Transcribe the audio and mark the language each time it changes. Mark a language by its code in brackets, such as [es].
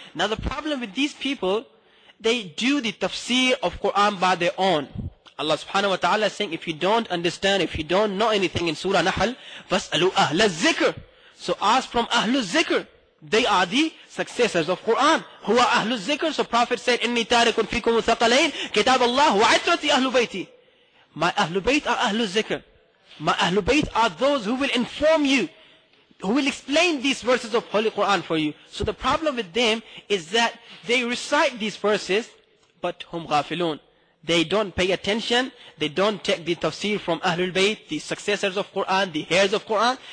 [en] Now the problem with these people, they do the tafsir of Quran by their own. Allah subhanahu wa ta'ala is saying, if you don't understand, if you don't know anything in Surah Nahl, [ar] فَاسْأَلُوا أَهْلَ الزِّكْرِ. [en] So ask from Ahlul Zikr. They are the successors of Quran. Who are Ahlul Zikr? So Prophet said, [ar] إِنِّي تَارِكُنْ فِيكُمُ ثَقَلَيْنِ كِتَابَ اللَّهُ وَعِتْرَةِ أَهْلُ بَيْتِ. [en] My Ahlul Bayt are Ahlul Zikr. My Ahlul Bayt are those who will inform you, who will explain these verses of Holy Quran for you. So the problem with them is that they recite these verses, but [ar] هُمْ غَافِلُونَ. [en] They don't pay attention. They don't take the tafsir from Ahlul Bayt, the successors of Quran, the heirs of Quran.